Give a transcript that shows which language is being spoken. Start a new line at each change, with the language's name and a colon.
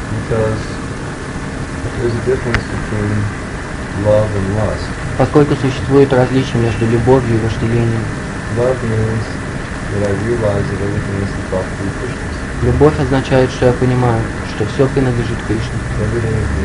English: Because there's a difference between love and lust.
Russian: Поскольку существует различие между любовью и вожделением.
English: Love means that I realize that everything is about the Krishna.
Russian: Любовь означает, что я понимаю, что все принадлежит Кришне.